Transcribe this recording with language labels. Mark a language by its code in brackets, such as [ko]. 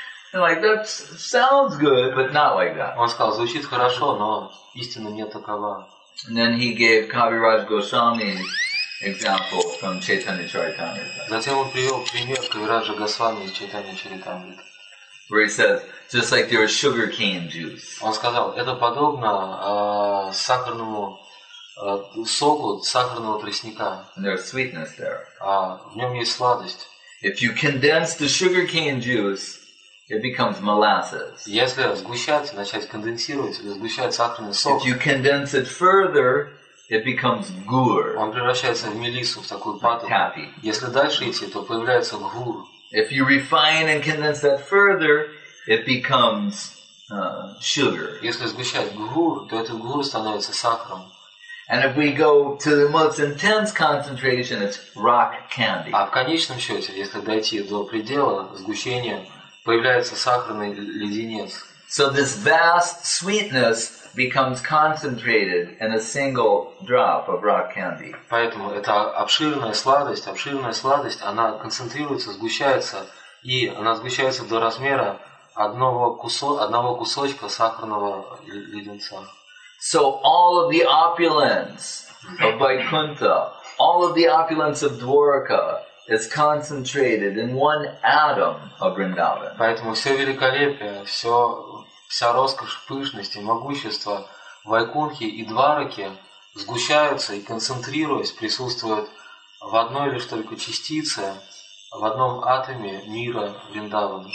[en] And like, that sounds good, but not like that. [ru] Он сказал, звучит хорошо, но истина не такова. [en] And then he gave Kaviraj Goswami example from Chaitanya Charitamrita. [ru] Затем он привел пример Кавираджа Госвами из Чайтанья Чаритамриты. [en] Where he says, just like your sugar cane juice. [ru] Он сказал, это подобно сахарному соку сахарного тростника. [en] And there's sweetness there. [ru] В нем есть сладость. [en] If you condense the sugar cane juice, it becomes molasses. [ru] Если сгущать, начать конденсировать или сгущать сахарный сок. [en] If you condense it further, it becomes gur. [ru] Он превращается в мелиссу, в такую пату. [en] Happy. [ru] Если дальше идти, то появляется гур. [en] If you refine and condense that further, it becomes sugar. [ru] Если сгущать гур, то этот гур становится сахаром. [en] And if we go to the most intense concentration, it's rock candy. [ru] А в конечном счете, если дойти до предела сгущения, появляется сахарный леденец. [en] So this vast sweetness becomes concentrated in a single drop of rock candy. [ru] Поэтому эта обширная сладость, она концентрируется, сгущается, и она сгущается до размера одного кусочка сахарного леденца. [en] So all of the opulence of Vaikuntha, all of the opulence of Dwarka is concentrated in one atom of Vrindavan. [ru] Поэтому все великолепие, все вся роскошь, пышность и могущество Вайкунхи и Двараки сгущаются и концентрируясь присутствуют в одной лишь только частице, в одном атоме мира Вриндавана.